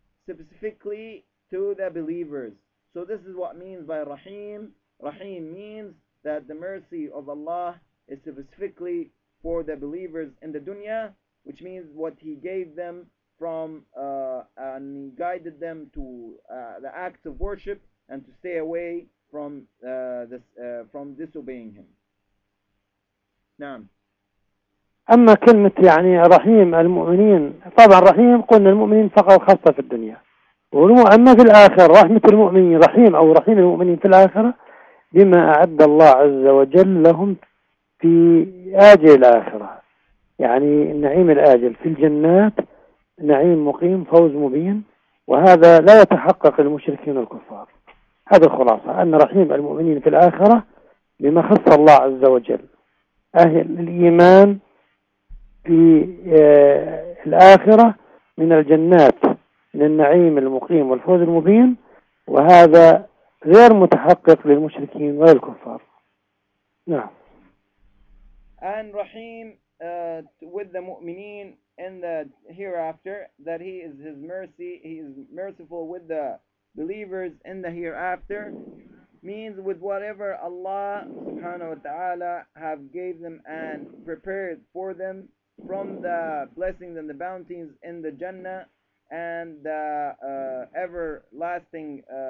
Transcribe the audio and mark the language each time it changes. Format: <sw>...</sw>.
<en>specifically to the believers so this is what means by Rahim Rahim means that the mercy of Allah is specifically for the believers in the dunya, which means what he gave them from and guided them to the act of worship and to stay away from from disobeying him.</en> <ar>Naam. أما كلمة يعني رحيم المؤمنين طبعا رحيم قلنا المؤمنين فقط خاصة في الدنيا أما في الآخرة رحمة المؤمنين رحيم أو رحيم المؤمنين في الآخرة بما أعد الله عز وجل لهم في آجل الآخرة يعني النعيم الآجل في الجنات نعيم مقيم فوز مبين وهذا لا يتحقق المشركين الكفار هذا الخلاصة أن رحيم المؤمنين في الآخرة بما خص الله عز وجل أهل الإيمان في الآخرة من الجنات من النعيم المقيم والفوز المبين وهذا غير متحقق للمشركين والكفار نعم أن رحيم</ar> <en>with the mu'mineen in the hereafter that he is his mercy he is merciful with the believers in the hereafter means with whatever Allah subhanahu wa ta'ala have gave them and prepared for them from the blessings and the bounties in the Jannah and the everlasting</en>